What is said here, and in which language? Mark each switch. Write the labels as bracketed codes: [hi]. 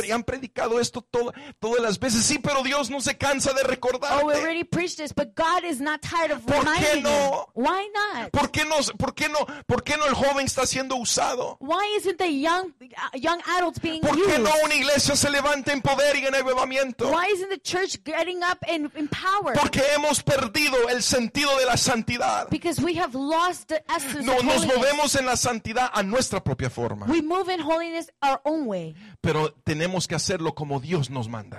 [es] Ya han predicado esto todas las veces. Sí, pero Dios no se cansa de recordarte. [en] Oh, we already preached this, but God is not tired of reminding [es] ¿Por qué no? [en] Him. Why not? [es] ¿Por qué no el joven está siendo usado? [en] Why isn't the young adults being [es] ¿Por [en] used? [es] ¿Por qué no una iglesia se levanta en poder y en avivamiento? [en] Why isn't the church getting up in power? [es] Porque hemos perdido el sentido de la santidad. [en] Because we have lost the essence [es] no, [en] of holiness. [es] Nos movemos en la santidad a nuestra propia forma. [en] We move in holiness our own way. [es] Pero tenemos que hacerlo como Dios nos manda.